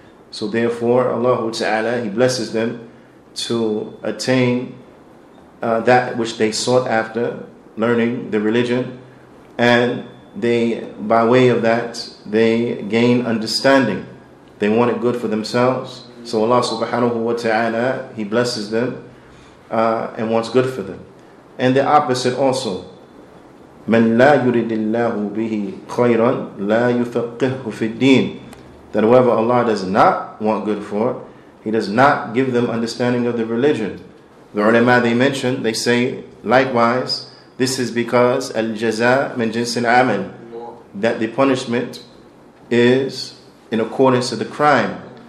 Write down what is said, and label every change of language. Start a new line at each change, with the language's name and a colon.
English: So therefore, Allah Ta'ala, He blesses them to attain that which they sought after, learning the religion. And they, by way of that, they gain understanding. They want it good for themselves. So Allah Subhanahu Wa Ta'ala, He blesses them and wants good for them. And the opposite also.
Arabic: من لا يريد الله به خيرا لا يفقهه في الدين.
English: That whoever Allah does not want good for, He does not give them understanding of the religion. The ulama, they mention, they say, likewise, this is because
Arabic: al-jaza min jins al-amal,
English: that the punishment is in accordance to the crime.